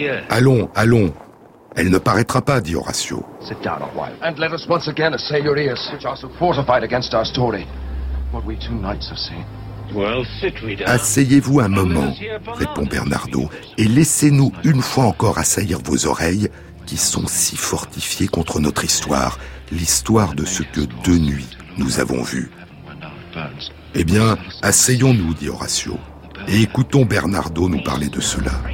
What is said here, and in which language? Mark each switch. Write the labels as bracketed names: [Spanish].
[French] Allons, allons. Elle ne paraîtra pas, dit Horatio. [English] Sit down a while. And let us once again assail your ears, which are so fortified against our story. What we two knights have seen. Well, sit we down. [French] Asseyez-vous un moment, répond Bernardo, et laissez-nous une fois encore assaillir vos oreilles, qui sont si fortifiées contre notre histoire, l'histoire de ce que deux nuits nous avons vu. Eh bien, asseyons-nous, dit Horatio, et écoutons Bernardo nous parler de cela.